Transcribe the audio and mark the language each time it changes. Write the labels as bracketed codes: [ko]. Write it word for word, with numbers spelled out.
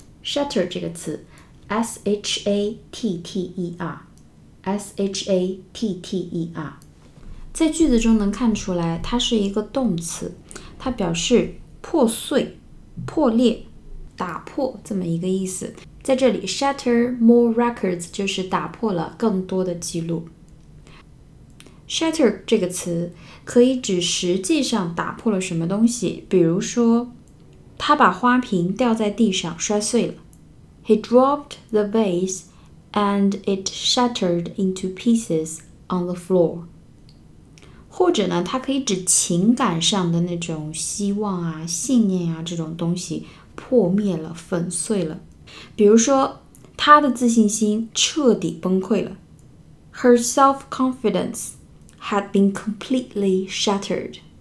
[zh] Shatter 这个词 S H A T T E R S H A T T E R 在句子中能看出来它是一个动词，它表示破碎、破裂、打破这么一个意思。在这里 [en] shatter more records [zh] 就是打破了更多的记录。 shatter 这个词可以指实际上打破了什么东西，比如说他把花瓶掉在地上摔碎了。 [en] He dropped the vase and it shattered into pieces on the floor。 [zh] 或者呢，它可以指情感上的那种希望啊、信念啊，这种东西破灭了、粉碎了。比如说她的自信心彻底崩溃了。 [en] Her self-confidence had been completely shattered.